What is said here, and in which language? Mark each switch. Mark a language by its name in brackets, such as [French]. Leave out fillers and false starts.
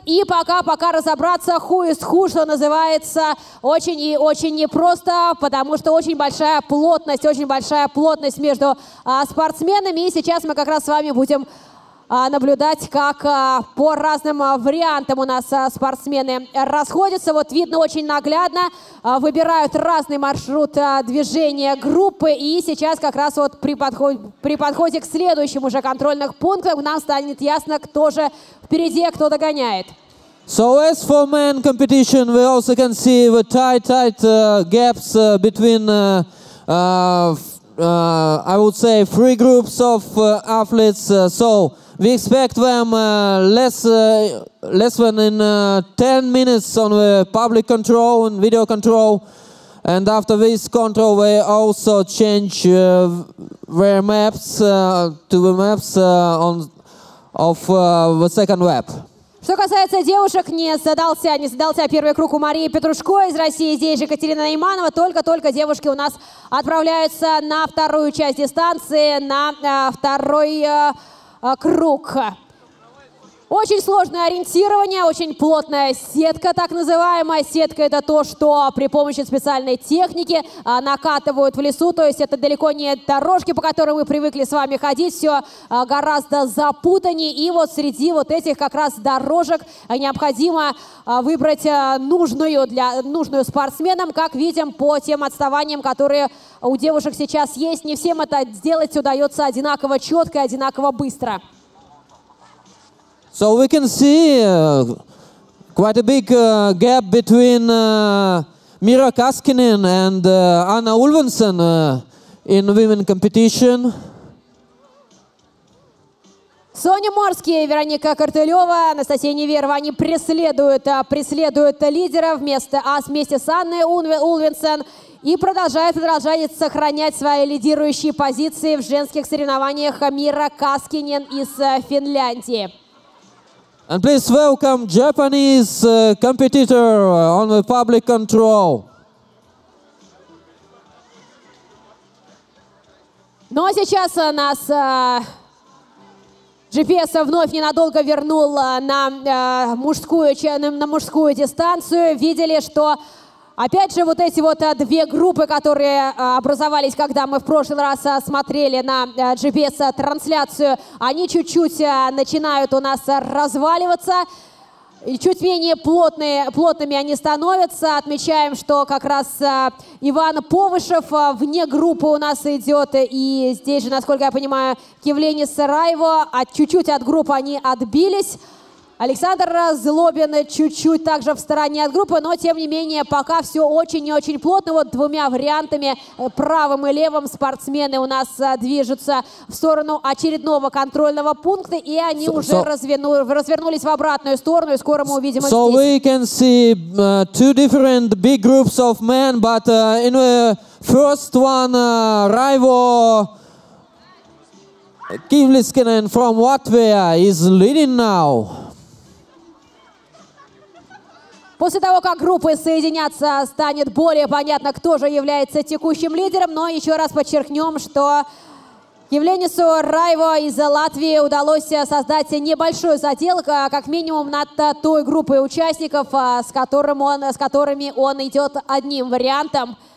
[Russian] И пока разобраться, [English] who is who, [Russian] что называется, очень и очень непросто, потому что очень большая плотность между спортсменами. И сейчас мы как раз с вами будем наблюдать, как по разным вариантам у нас спортсмены расходятся. Вот видно очень наглядно, выбирают разный маршрут движения группы. И сейчас как раз вот при подходе к следующим уже контрольных пунктам нам станет ясно, кто же впереди, кто догоняет. [English] So as for men competition, we also can see the tight gaps between, I would say, three groups of athletes. So we expect them less than in 10 minutes on the public control and video control. And after this control, we also change their maps to the maps on of the second web. [Russian] Что касается девушек, не задался первый круг у Марии Петрушко из России. Здесь же Екатерина Найманова. Только-только девушки у нас отправляются на вторую часть дистанции, на второй круг. Очень сложное ориентирование, очень плотная сетка, так называемая. Сетка — это то, что при помощи специальной техники накатывают в лесу. То есть это далеко не дорожки, по которым мы привыкли с вами ходить. Все гораздо запутаннее. И вот среди вот этих как раз дорожек необходимо выбрать нужную спортсменам. Как видим, по тем отставаниям, которые у девушек сейчас есть, не всем это сделать удается одинаково четко и одинаково быстро. [English] So we can see quite a big gap between Mira Kaskinen and Anna Ulvensen in women competition. [Russian] Соня Морский, Вероника Картылева, Анастасия Неверова, они преследуют лидера вместе с Анной Ульвенсен и продолжают сохранять свои лидирующие позиции в женских соревнованиях Мира Каскинен из Финляндии. [English] And please welcome Japanese competitor on the public control. [Russian] Ну а сейчас нас GPS вновь ненадолго вернул на мужскую дистанцию. Видели, что опять же вот эти вот две группы, которые образовались, когда мы в прошлый раз смотрели на GPS-трансляцию, они чуть-чуть начинают у нас разваливаться, и чуть менее плотными они становятся. Отмечаем, что как раз Иван Повышев вне группы у нас идет, и здесь же, насколько я понимаю, Кивлени Сараева чуть-чуть от группы они отбились. Александр Злобин чуть-чуть также в стороне от группы, но тем не менее пока все очень и очень плотно. Вот двумя вариантами, правым и левым, спортсмены у нас движутся в сторону очередного контрольного пункта, и они развернулись в обратную сторону, и скоро мы увидим их здесь. [English] So we can see two different big groups of men, but in the first one, Raivo Kivliskinen from Latvia is leading now. [Russian] После того, как группы соединятся, станет более понятно, кто же является текущим лидером. Но еще раз подчеркнем, что Евленису Райво из Латвии удалось создать небольшой задел, как минимум над той группой участников, с которыми он идет одним вариантом.